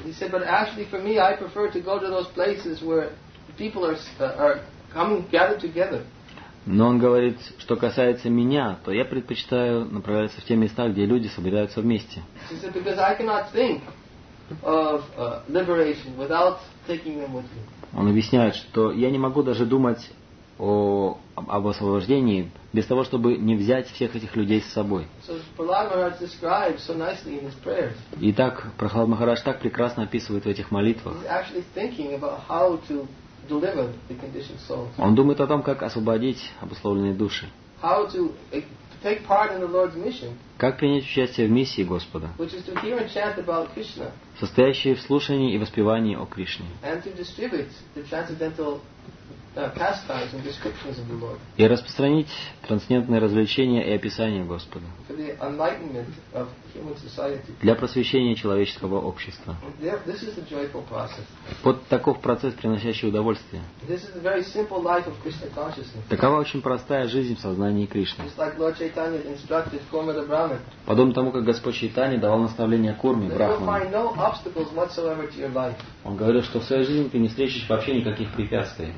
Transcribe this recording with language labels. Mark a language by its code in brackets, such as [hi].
[ru] Он говорит, но [en] actually for me, I prefer to go to those places where people are gathered together. [ru] Но он говорит, что касается меня, то я предпочитаю направляться в те места, где люди собираются вместе. [en] He said, because I cannot think of liberation without taking them with me. [ru] Он объясняет, что я не могу даже думать об освобождении без того, чтобы не взять всех этих людей с собой. [en] So Prahlad Maharaj describes so nicely in his prayers. [ru] Итак, Прохлад Махарадж так прекрасно описывает в этих молитвах. [en] He's actually thinking about how to deliver the conditioned souls. [ru] Он думает о том, как освободить обусловленные души. [en] How to take part in the Lord's mission? [ru] Как принять участие в миссии Господа? [en] Which is to hear and chant about Krishna. [ru] Состоящие в слушании и воспевании о Кришне. [en] And to distribute the transcendental pastimes and descriptions of the Lord. [ru] И распространить трансцендентные развлечения и описания Господа. [en] For the enlightenment of human society. [ru] Для просвещения человеческого общества. [en] This is a joyful process. [ru] Вот таков процесс, приносящий удовольствие. [en] This is a very simple life of Krishna consciousness. [ru] Такова очень простая жизнь в сознании Кришны. [en] It's like Lord Chaitanya instructed Kurma the Brahman. [ru] Подобно тому, как Господь Чайтанья давал наставление Курме, Брахману. [en] You'll find no obstacles whatsoever to your life. [ru] Он говорил, что в своей жизни ты не встретишь вообще никаких препятствий.